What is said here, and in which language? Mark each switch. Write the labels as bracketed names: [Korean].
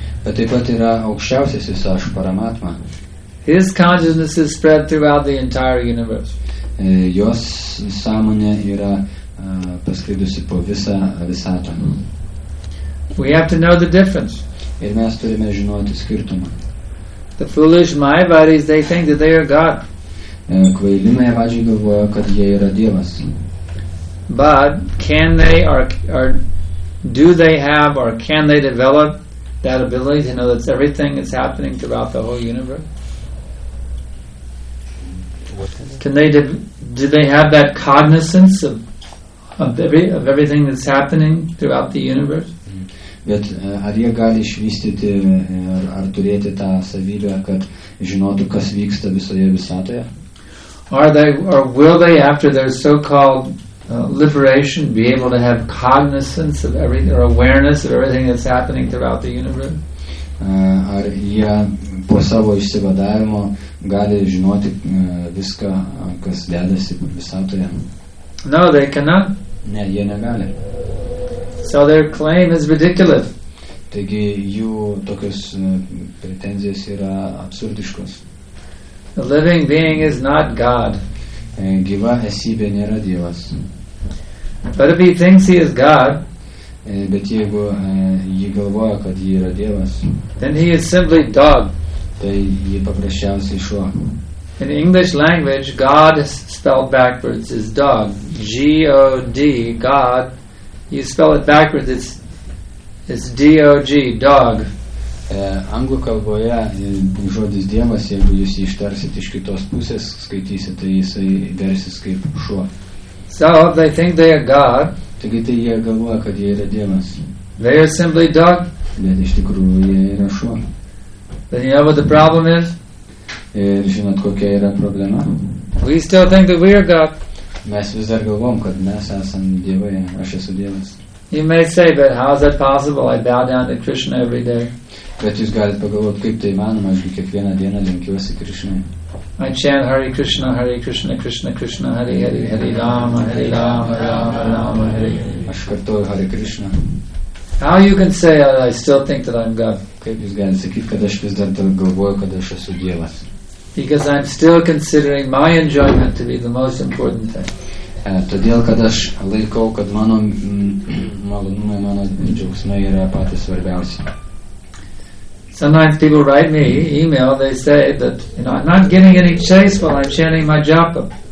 [Lithuanian] Bet taip pat yra aukščiausiasis aš, Paramatma. [English] His consciousness is spread throughout the entire universe. [Lithuanian] Jos sąmonė yra pasklidusi po visą visatą. [English] We have to know the difference. [Lithuanian] Ir mes turime žinoti skirtumą. [English] The foolish Mayavadis, they think that they are God. [Lithuanian] Kvaili Mayavadžiai galvoja, kad jie yra Dievas. [English] But can they or do they have or can they develop that ability to know that everything is happening throughout the whole universe? Do they have that cognizance of everything that's happening throughout the universe? [Lithuanian] Bet ar jie gali išvystyti ar turėti tą savybę, kad žinotų, kas vyksta visoje visatoje? [English] Or will they, after their so-called liberation, be able to have cognizance of everything or awareness of everything that's happening throughout the universe? [Lithuanian] Ar jie po savo išsivadavimo gali žinoti viską, kas dedasi visatoje? [English] No, they cannot. [Lithuanian] Ne, jie negali. [English] So their claim is ridiculous. [Lithuanian] Taigi jų tokios pretenzijos yra absurdiškos. [English] The living being is not God. [Lithuanian] Gyva esybė nėra Dievas. [English] But if he thinks he is God, [Lithuanian] bet jeigu jį galvoja, kad jį yra Dievas, [English] then he is simply dog. [Lithuanian] Tai jį paprasčiausiai šuo. [English] In English language, God spelled backwards is dog. G-O-D, God. You spell it backwards, it's D-O-G, dog. [Lithuanian] Anglų kalboje žodis Dievas, jeigu jūs jį ištarsit iš kitos pusės, skaitysit, tai jisai versis kaip šuo. [English] So, they think they are God. [Lithuanian] Taigi tai jie galvoja, kad jie yra Dievas. [English] They are simply dog. [Lithuanian] Bet iš tikrųjų jie yra šuo. [English] But you know what the problem is? [Lithuanian] Ir žinot, kokia yra problema? [English] We still think that we are God. [Lithuanian] Mes vis dar galvom, kad mes esam dievai, aš esu dievas. [English] You may say, but how is that possible? I bow down to Krishna every day. [Lithuanian] Bet jūs galite pagalvoti, kaip tai įmanoma, aš kiekvieną dieną lenkiuosi Krishnai. [English] I chant Hare Krishna, Hare Krishna, Krishna Krishna, Hare Hare, Hare Rama, Hare Rama, Rama Rama, Hare. [Lithuanian] Aš kartuoju Hare Krishna. [English] How you can say I still think that I'm God? [Lithuanian] Kaip jūs galite sakyti, kad aš vis dar galvoju, kad aš esu dievas? [English] Because I'm still considering my enjoyment to be the most important thing. [Lithuanian] Todėl, kad aš laikau, kad mano malonumai, mano džiaugsmai yra patys svarbiausi. [English] Sometimes people write me email, they say that, you know, I'm not getting any taste while I'm chanting my japa.